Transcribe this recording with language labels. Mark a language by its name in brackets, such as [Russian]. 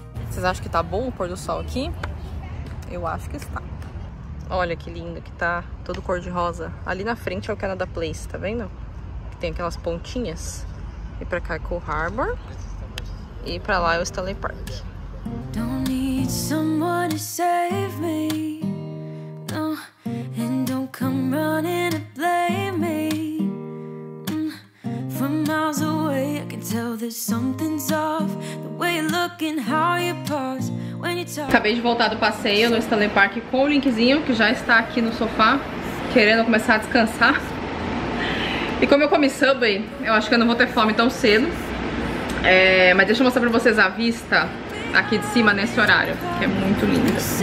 [Portuguese] Vocês acham que tá bom o pôr do sol aqui? Eu acho que está. Olha que lindo que tá, todo cor de rosa. Ali na frente é o Canada Place, tá vendo? Que tem aquelas pontinhas. E pra cá é Coal Harbor. E pra lá é o Stanley Park. [English] Don't need someone to save me. And don't come running to blame me. From miles away I can tell that something's off. The way you look and how you pause. [Portuguese] Acabei de voltar do passeio no Stanley Park com o Linkzinho, que já está aqui no sofá, querendo começar a descansar. E como eu comi Subway, eu acho que eu não vou ter fome tão cedo. Mas deixa eu mostrar pra vocês a vista aqui de cima nesse horário, que é muito linda.